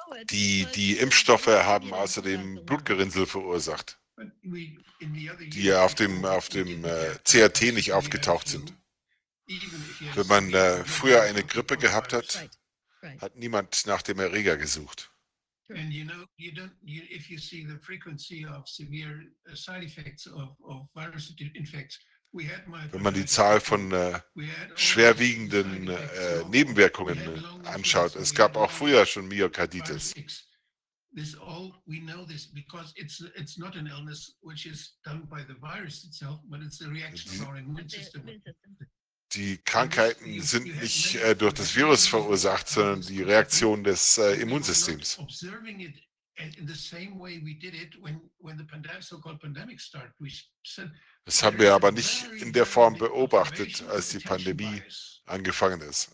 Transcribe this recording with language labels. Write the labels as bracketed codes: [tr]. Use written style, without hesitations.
[de] Die Impfstoffe haben außerdem Blutgerinnsel verursacht, die auf dem CRT nicht aufgetaucht sind. Wenn man früher eine Grippe gehabt hat, hat niemand nach dem Erreger gesucht. [en] And you know, you don't, you, if you see the frequency of severe side effects of virus infects, we had myocarditis. [de] Wenn man die Zahl von schwerwiegenden Nebenwirkungen anschaut, es gab auch früher schon Myokarditis. [en] This all, we know this because it's not an illness which is done by the virus itself, but it's a reaction to our immune system. [de] Die Krankheiten sind nicht durch das Virus verursacht, sondern die Reaktion des Immunsystems. Das haben wir aber nicht in der Form beobachtet, als die Pandemie angefangen ist.